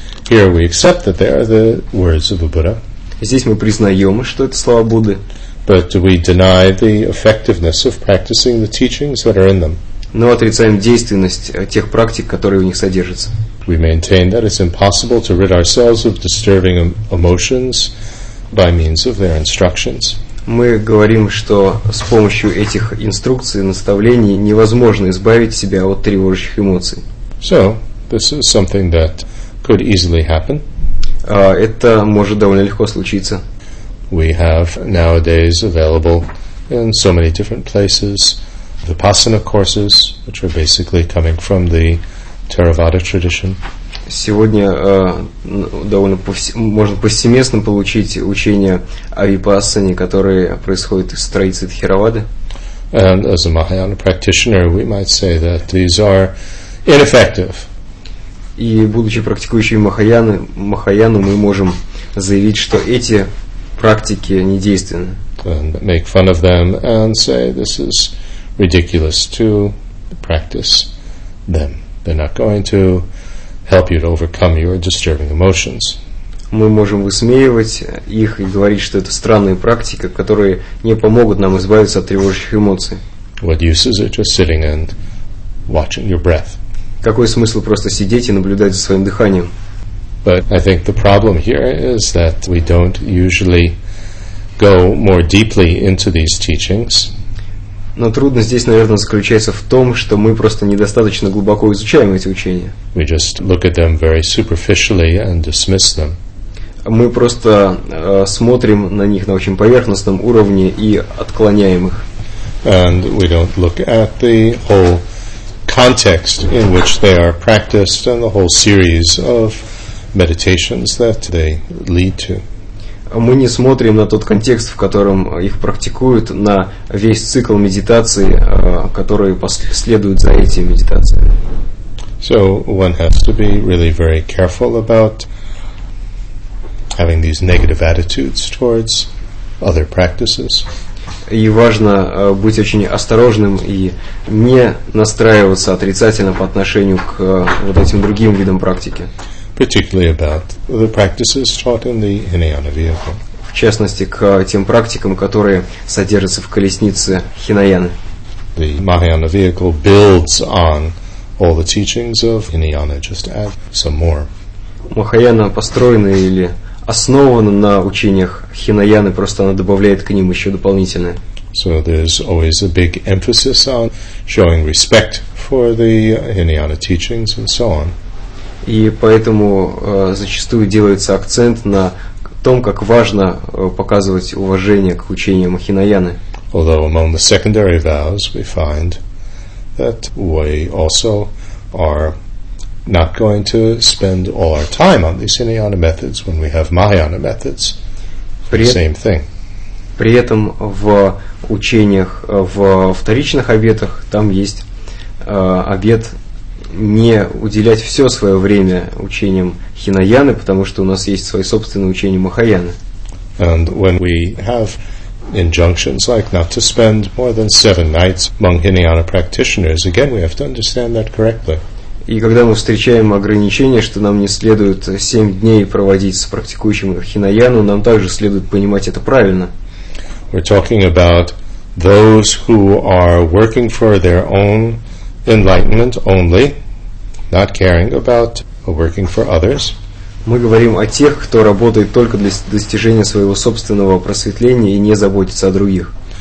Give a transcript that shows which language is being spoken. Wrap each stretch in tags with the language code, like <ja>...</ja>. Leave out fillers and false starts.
<en>Here we accept that they are the words of the Buddha.</en> <ru>Здесь мы признаем, что это слова Будды.</ru> <en>But we deny the effectiveness of practicing the teachings that are in them.</en> <ru>Но отрицаем действенность тех практик, которые в них содержатся.</ru> <en>We maintain that it's impossible to rid ourselves of disturbing emotions by means of their instructions.</en> <ru>Мы говорим, что с помощью этих инструкций, наставлений невозможно избавить себя от тревожащих эмоций.</ru> <en>So, this is something that could easily happen.</en> <ru>Это может довольно легко случиться.</ru> <en>We have nowadays available in so many different places Vipassana courses, which are basically coming from the Theravada tradition.</en> <ru>Сегодня довольно можно повсеместно получить учение о випассане, которое происходит из традиции Тхеравады.</ru> <en>And as a Mahayana practitioner, we might say that these are ineffective.</en> <ru>И будучи практикующими Махаяну, мы можем заявить, что эти практики недейственны.</ru> <en>And make fun of them and say this is ridiculous to practice them. They're not going to help you to overcome your disturbing emotions.</en> <ru>Мы можем высмеивать их и говорить, что это странная практика, которые не помогут нам избавиться от тревожащих эмоций.</ru> <en>What use is it just sitting and watching your breath?</en> <ru>Какой смысл просто сидеть и наблюдать за своим дыханием?</ru> <en>But I think the problem here is that we don't usually go more deeply into these teachings.</en> <ru>Но трудность здесь, наверное, заключается в том, что мы просто недостаточно глубоко изучаем эти учения.</ru> <en>We just look at them very superficially and dismiss them.</en> <ru>Мы просто смотрим на них на очень поверхностном уровне и отклоняем их.</ru> <en>And we don't look at the whole context in which they are practiced and the whole series of meditations that they lead to.</en> <ru>Мы не смотрим на тот контекст, в котором их практикуют, на весь цикл медитации, который следует за эти медитации.</ru> <en>So one has to be really very careful about having these negative attitudes towards other practices.</en> <ru>И важно быть очень осторожным и не настраиваться отрицательно по отношению к вот этим другим видам практики.</ru> <en>Particularly about the practices taught in the Hinayana vehicle.</en> <ru>В частности, к тем практикам, которые содержатся в колеснице Хинаяны.</ru> <en>The Mahayana vehicle builds on all the teachings of Hinayana, just add some more.</en> <ru>Махаяна построена или основана на учениях Хинаяны, просто она добавляет к ним еще дополнительное.</ru> <en>So there's always a big emphasis on showing respect for the Hinayana teachings and so on.</en> <ru>И поэтому зачастую делается акцент на том, как важно показывать уважение к учениям Хинаяны.</ru> <en>Although among the secondary vows we find that we also are not going to spend all our time on these Hinayana methods when we have Mahayana methods. Same thing.</en> <ru>При этом в учениях, в вторичных обетах, там есть обет не уделять все свое время учениям Хинаяны, потому что у нас есть свои собственные учения Махаяны.</ru> <en>And when we have injunctions like not to spend more than 7 nights among Hinayana practitioners, again, we have to understand that correctly.</en> <ru>И когда мы встречаем ограничение, что нам не следует 7 дней проводить с практикующим Хинаяну, нам также следует понимать это правильно.</ru> <en>We're talking about those who are working for their own enlightenment only, not caring about working for others.</en> <ru>Мы говорим о тех, кто работает только для достижения своего собственного просветления и не заботится о других.</ru>